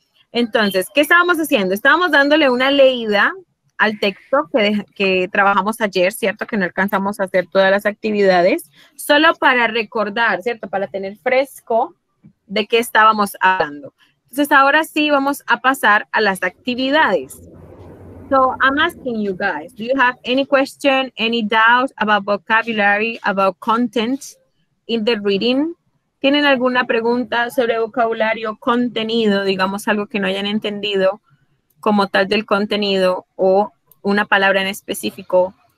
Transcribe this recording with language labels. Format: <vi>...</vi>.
<es>Entonces, ¿qué estábamos haciendo? Estábamos dándole una leída al texto que trabajamos ayer, ¿cierto? Que no alcanzamos a hacer todas las actividades, solo para recordar, ¿cierto? Para tener fresco de qué estábamos hablando. Entonces, ahora sí vamos a pasar a las actividades.</es> <en>So, I'm asking you guys, do you have any question, any doubt about vocabulary, about content in the reading?</en> <es>¿Tienen alguna pregunta sobre vocabulario, contenido, digamos algo que no hayan entendido como tal del contenido o una palabra en específico?</es>